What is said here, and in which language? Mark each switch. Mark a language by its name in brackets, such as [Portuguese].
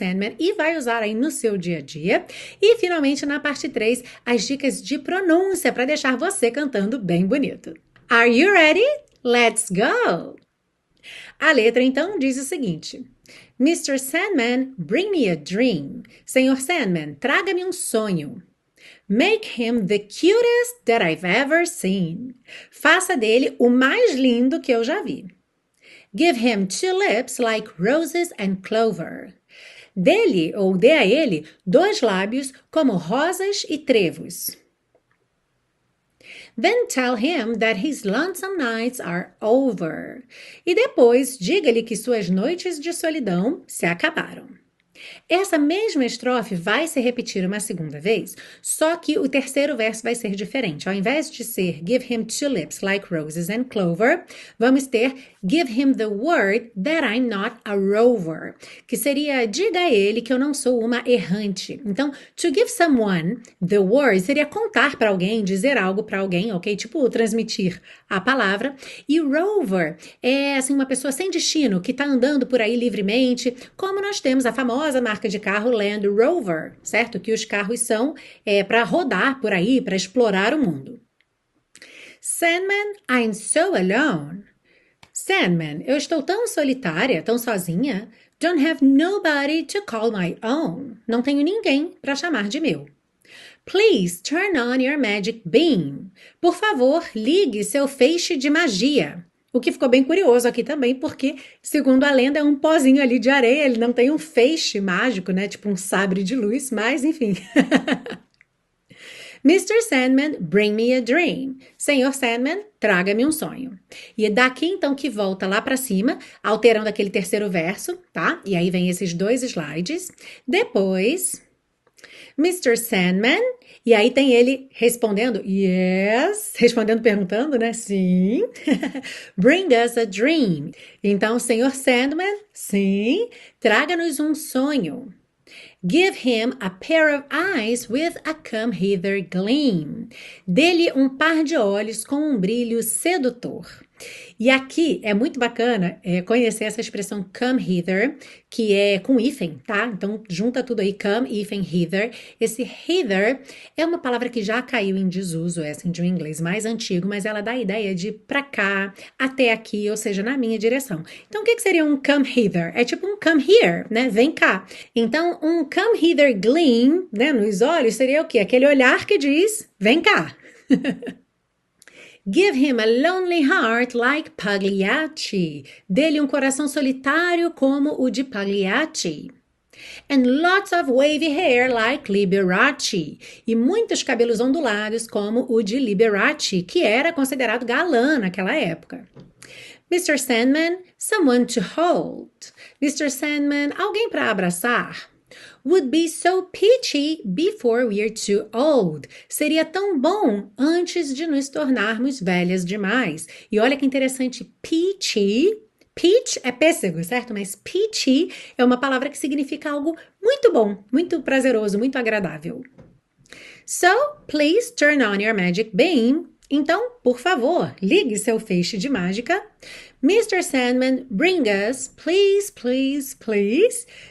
[Portuguese] Sandman e vai usar aí no seu dia a dia. E finalmente, na parte 3, as dicas de pronúncia para deixar você cantando bem bonito. [English] Are you ready? Let's go! [Portuguese] A letra então diz o seguinte: Mr. [English] Sandman, bring me a dream. [Portuguese] Senhor Sandman, traga-me um sonho. [English] Make him the cutest that I've ever seen. [Portuguese] Faça dele o mais lindo que eu já vi. [English] Give him two lips like roses and clover. [Portuguese] Dê-lhe ou dê a ele dois lábios como rosas e trevos. [English] Then tell him that his lonesome nights are over. [Portuguese] E depois diga-lhe que suas noites de solidão se acabaram. Essa mesma estrofe vai se repetir uma segunda vez, só que o terceiro verso vai ser diferente. Ao invés de ser [English] Give him two lips like roses and clover, [Portuguese] vamos ter [English] Give him the word that I'm not a rover, [Portuguese] que seria diga a ele que eu não sou uma errante. Então, [English] to give someone the word [Portuguese] seria contar para alguém, dizer algo para alguém, ok? Tipo, transmitir a palavra. E rover é assim uma pessoa sem destino que está andando por aí livremente, como nós temos a famosa marca de carro Land Rover, certo? Que os carros são para rodar por aí, para explorar o mundo. [English] Sandman, I'm so alone. [Portuguese] Sandman, eu estou tão solitária, tão sozinha. [English] Don't have nobody to call my own. [Portuguese] Não tenho ninguém para chamar de meu. [English] Please turn on your magic beam. [Portuguese] Por favor, ligue seu feixe de magia. O que ficou bem curioso aqui também, porque, segundo a lenda, é um pozinho ali de areia, ele não tem um feixe mágico, né? Tipo um sabre de luz, mas enfim. [English] Mr. Sandman, bring me a dream. [Portuguese] Senhor Sandman, traga-me um sonho. E é daqui então que volta lá para cima, alterando aquele terceiro verso, tá? E aí vem esses dois slides. Depois, Mr. Sandman, e aí tem ele respondendo, yes, respondendo, perguntando, né? Sim. [English] Bring us a dream. [Portuguese] Então, Senhor Sandman, sim, traga-nos um sonho. [English] Give him a pair of eyes with a come hither gleam. [Portuguese] Dê-lhe um par de olhos com um brilho sedutor. E aqui é muito bacana conhecer essa expressão come hither, que é com hífen, tá? Então junta tudo aí, come, hífen, hither. Esse hither é uma palavra que já caiu em desuso, é assim, de um inglês mais antigo, mas ela dá a ideia de pra cá, até aqui, ou seja, na minha direção. Então o que que seria um come hither? É tipo um [English] come here, [Portuguese] né? Vem cá. Então um come hither gleam, né, nos olhos, seria o quê? Aquele olhar que diz, vem cá. [English] Give him a lonely heart like Pagliacci. [Portuguese] Dê-lhe um coração solitário como o de Pagliacci. [English] And lots of wavy hair like Liberace. [Portuguese] E muitos cabelos ondulados como o de Liberace, que era considerado galã naquela época. Mr. [English] Sandman, someone to hold. Mr. [Portuguese] Sandman, alguém para abraçar. [English] Would be so peachy before we're too old. [Portuguese] Seria tão bom antes de nos tornarmos velhas demais. E olha que interessante, peachy. Peach é pêssego, certo? Mas peachy é uma palavra que significa algo muito bom, muito prazeroso, muito agradável. [English] So, please turn on your magic beam. [Portuguese] Então, por favor, ligue seu feixe de mágica. [English] Mr. Sandman, bring us, please, please, please.